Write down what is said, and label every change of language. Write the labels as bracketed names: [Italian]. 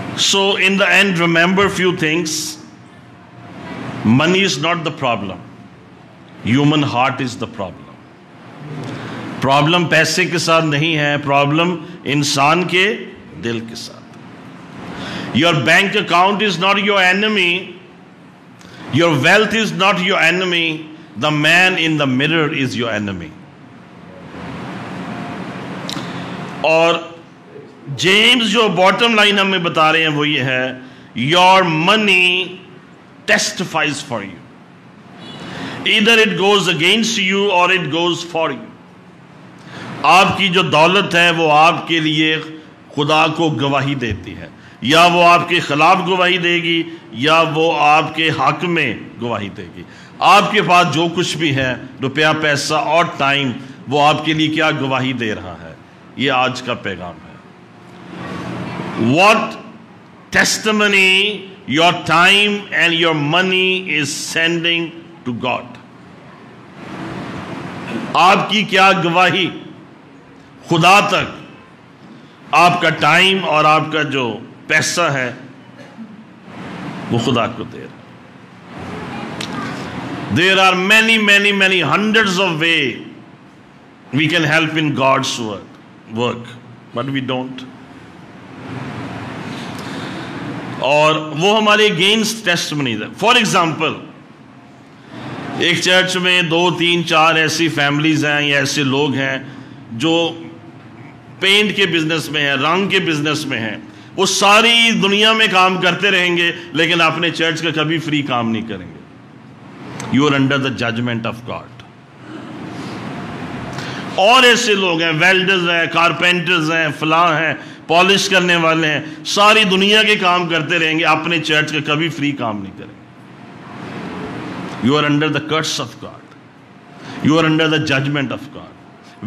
[English] So in the end remember few things. Money is not the problem, human heart is the problem. [Urdu] Problem پیسے کے ساتھ نہیں ہے, problem انسان کے دل کے ساتھ. [English] Your bank account is not your enemy, your wealth is not your enemy, the man in the mirror is your enemy. [Urdu] اور جیمز جو باٹم لائن ہمیں بتا رہے ہیں وہ یہ ہے, [English] Your money testifies for you. Either it goes against you or it goes for you. [Urdu] آپ کی جو دولت ہے وہ آپ کے لیے خدا کو گواہی دیتی ہے, یا وہ آپ کے خلاف گواہی دے گی یا وہ آپ کے حق میں گواہی دے گی. آپ کے پاس جو کچھ بھی ہے, روپیہ پیسہ اور ٹائم, وہ آپ کے لیے کیا گواہی دے رہا ہے. یہ آج کا پیغام ہے. [English] What testimony your time and your money is sending to God. [Urdu] آپ کی کیا گواہی خدا تک، آپ کا ٹائم اور آپ کا جو پیسہ ہے وہ خدا کو دے رہا. [English] There are many many many hundred of way we can help in God's work but we don't. [Urdu] اور وہ ہمارے اگینسٹ ٹیسٹمنیز ہے. فار ایگزامپل ایک چرچ میں دو تین چار ایسی فیملیز ہیں یا ایسے لوگ ہیں جو پینٹ کے بزنس میں ہیں، رنگ کے بزنس میں ہیں، وہ ساری دنیا میں کام کرتے رہیں گے لیکن اپنے چرچ کا کبھی فری کام نہیں کریں گے. [English] You are under the judgement of God. [Urdu] اور ایسے لوگ ہیں، ویلڈرز ہیں، کارپینٹرز ہیں، فلاں ہیں، پالش کرنے والے ہیں، ساری دنیا کے کام کرتے رہیں گے، اپنے چرچ کا کبھی فری کام نہیں کریں گے. [English] You are under the curse of God, you are under the judgement of God.